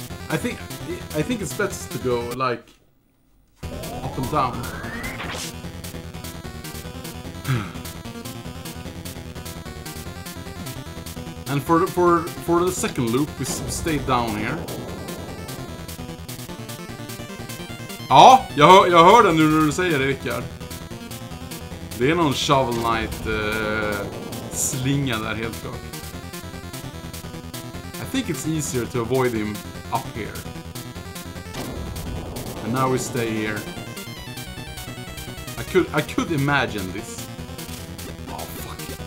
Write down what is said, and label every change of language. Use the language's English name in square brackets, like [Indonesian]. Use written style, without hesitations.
[English] I think it's best to go, like, up and down. And for the second loop, we stay down here. [Swedish] Ja, jag hör den nu när du säger det, Rickard. Det är någon Shovel Knight slinga där helt klart. [English] I think it's easier to avoid him up here. And now we stay here. I could imagine this. Oh, fuck.